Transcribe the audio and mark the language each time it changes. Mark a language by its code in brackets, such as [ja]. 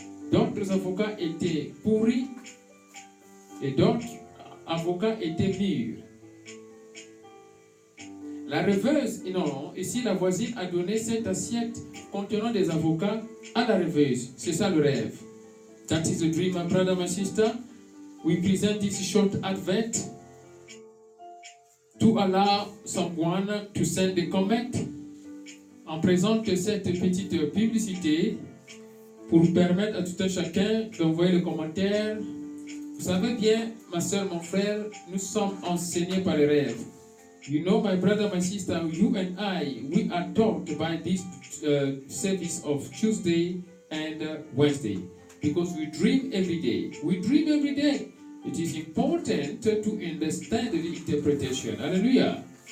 [fr] D'autres avocats étaient pourris et d'autres avocats étaient mûrs. La rêveuse, non, ici la voisine a donné cette assiette contenant des avocats à la rêveuse. C'est ça le rêve. [en] That is the dream, my brother, my sister. We present this short advent to allow someone to send a comment. [fr] On présente cette petite publicité pour permettre à tout un chacun d'envoyer le commentaire. Vous savez bien, ma soeur, mon frère, nous sommes enseignés par les rêves. [en] You know, my brother, my sister, you and I, we are taught by this service of Tuesday and Wednesday. Because we dream every day. We dream every day. It is important to understand the interpretation. Hallelujah.